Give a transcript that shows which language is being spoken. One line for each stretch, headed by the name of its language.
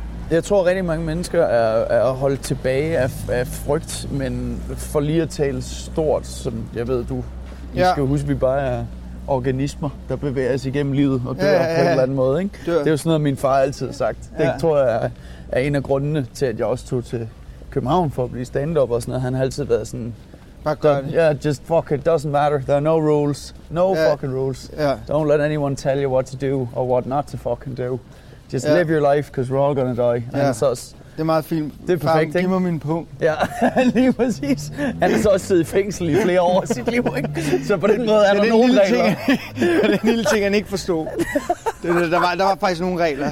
Danish: Jeg tror, at rigtig mange mennesker er holdt tilbage af frygt, men for lige at tale stort, som jeg ved, du Ja. Vi skal huske, at vi bare er organismer, der bevæger sig igennem livet og dør på en eller anden måde. Ikke? Det er jo sådan noget, min far altid har sagt. Ja. Det tror jeg er en af grundene til, at jeg også tog til København for at blive stand-up og sådan noget. Han har altid været sådan... Bare gør det.
English: Yeah, just fuck it, doesn't matter. There are no rules. Fucking rules. Yeah. Don't let anyone tell you what to do or what not to fucking do. Just live your life, because we're all gonna die. Yeah. And sus.
Danish: Det er meget fint. Det er perfekt, ikke? Giv mig min pung. Ja, lige præcis. Han har så også siddet i fængsel i flere år i sit liv, ikke? Så på den måde er der nogle regler. Ting, det er en lille ting, han ikke forstod. Der var faktisk nogle regler.